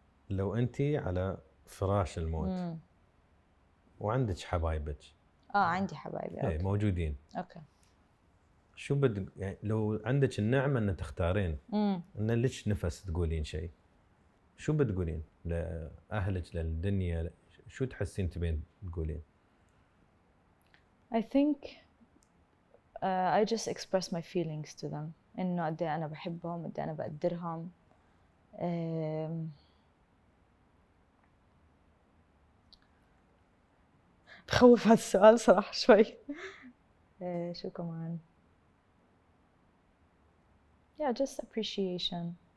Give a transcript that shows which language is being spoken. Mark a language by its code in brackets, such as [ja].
[ar] لو أنتي على فراش الموت وعندك حبايبك. عندي حبايب. إيه أوكي. موجودين. أوكي. شو بدك يعني لو عندك النعمة إن تختارين إن ليش نفس تقولين شيء؟ شو بتقولين لأهلك للدنيا؟ شو تحسين تبين تقولين؟ [en] I think I just express my feelings to them. [ar] إنه قد أنا بحبهم، قد أنا بقدرهم. بخوف هذا السؤال صراحة شوي. شو كمان؟ [en] Yeah, just appreciation.